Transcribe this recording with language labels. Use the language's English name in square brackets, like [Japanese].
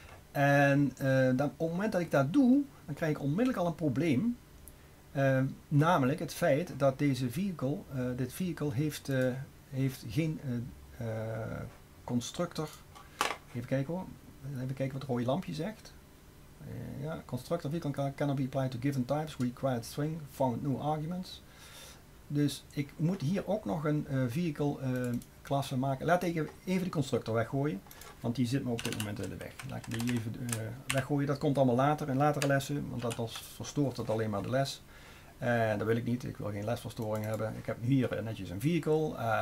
[Dutch] En dan, op het moment dat ik dat doe, dan krijg ik onmiddellijk al een probleem. Namelijk het feit dat dit vehicle heeft geen constructor. Even kijken hoor. Even kijken wat het rode lampje zegt. [English] Constructor vehicle cannot be applied to given types, required string, found no arguments. [Dutch] Dus ik moet hier ook nog een vehicle-klasse maken. Laat ik even de constructor weggooien, want die zit me op dit moment in de weg. Laat ik die even weggooien. Dat komt allemaal later, in latere lessen, want dat verstoort het alleen maar de les. Dat wil ik niet. Ik wil geen lesverstoring hebben. Ik heb hier netjes een vehicle.